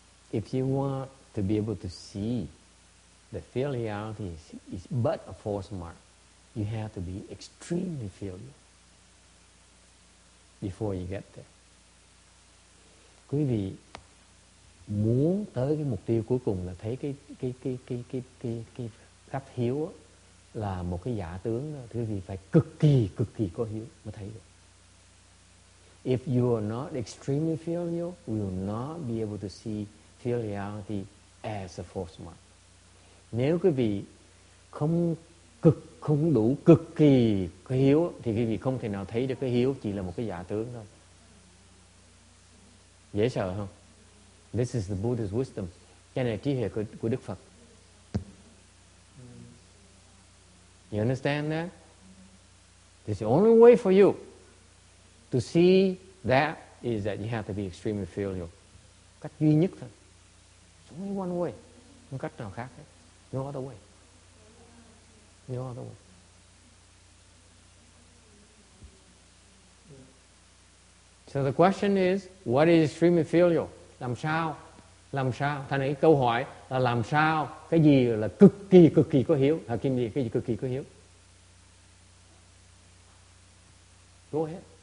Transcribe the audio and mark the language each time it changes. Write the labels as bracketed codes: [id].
[en] If you want to be able to see that filiality is but a false mark, you have to be extremely filial before you get there. [vi] Quý vị muốn tới cái mục tiêu cuối cùng là thấy cái pháp hiếu là một cái giả tướng đó, thì quý vị phải cực kỳ có hiếu mới thấy được. [en] If you are not extremely filial, you will not be able to see filiality as a false mark. [vi] Nếu quý vị không cực không đủ cực kỳ cái hiếu thì quý vị không thể nào thấy được cái hiếu chỉ là một cái giả tướng thôi. Dễ sợ không? [en] This is the Buddha's wisdom. [vi] Cái này trí huệ của Đức Phật. [en] You understand that? This is the only way for you to see that is that you have to be extremely filial. [vi] Cách duy nhất thôi. [en] It's only one way. [vi] Không cách nào khác hết. [en] No other way. No other way. So the question is, what is extremely filial? [vi] Làm sao? Làm sao? Thành cái câu hỏi là làm sao? Cái gì là cực kỳ có hiếu? Hả Kim gì? Cái gì cực kỳ có hiếu? [en] Go ahead.